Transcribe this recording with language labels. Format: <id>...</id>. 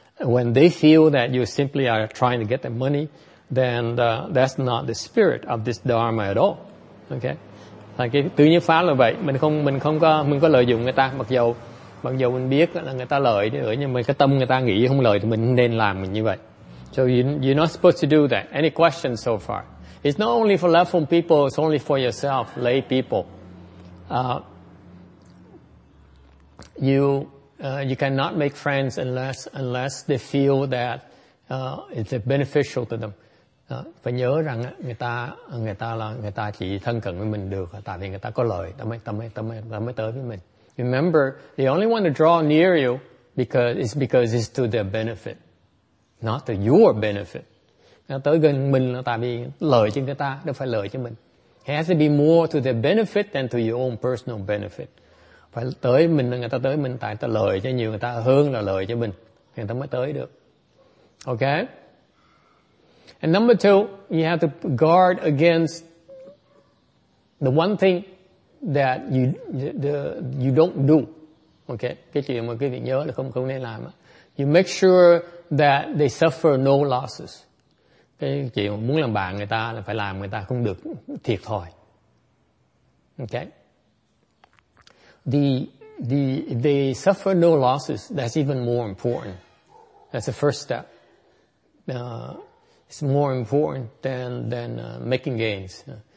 <en>when they feel that you simply are trying to get the money, then that's not the spirit of this dharma at all. Okay?</en> <vi>Thì cái tự nhiên pháp là vậy, mình không có lợi dụng người ta, mặc dù mình biết là người ta lợi đi nữa, nhưng mà cái tâm người ta nghĩ không lợi thì mình nên làm mình như vậy.</vi> <en>So you're not supposed to do that. Any questions so far? It's not only for level people, it's only for yourself, lay people. You cannot make friends unless they feel that it's beneficial to them.</en> <vi>Phải nhớ rằng người ta chỉ thân cận với mình được tại vì người ta có lợi, ta mới tới với mình.</vi> <en>Remember, they only want to draw near you because it's to their benefit, not to your benefit.</en> <vi>Tới gần mình là tại vì lợi cho người ta, đâu phải lợi cho mình.</vi> <en>It has to be more to their benefit than to your own personal benefit.</en> <vi>Phải tới mình, người ta tới mình tại ta lợi cho nhiều người ta hơn là lợi cho mình, người ta mới tới được.</vi> <en>Okay? And number two, you have to guard against the one thing that you don't do. Okay?</en> <vi>Cái chuyện mà quý vị nhớ là không nên làm.</vi> <en>You make sure that they suffer no losses.</en> <vi>Cái chuyện mà muốn làm bạn người ta là phải làm người ta không được thiệt thòi.</vi> <en>Okay? They suffer no losses. That's even more important. That's the first step. It's more important than making gains.</en>